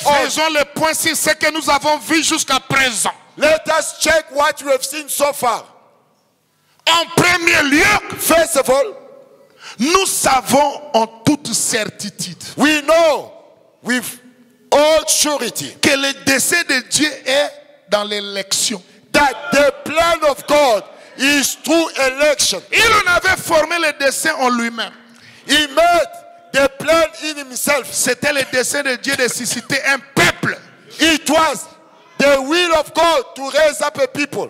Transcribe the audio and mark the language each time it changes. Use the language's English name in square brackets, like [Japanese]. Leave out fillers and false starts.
[French] Faisons le point sur ce que nous avons vu jusqu'à présent. [English] Let us check what we have seen so far. [French] En premier lieu, [English] first of all, [French] nous savons en toute certitude. [English] We know with all surety [French] que le décès de Dieu est dans l'élection. [English] That the plan of God is through election. [French] Il en avait formé le dessein en lui-même. [English] He made the plan in himself. [French] C'était le dessein de Dieu de susciter un peuple. [English] It was the will of God to raise up a people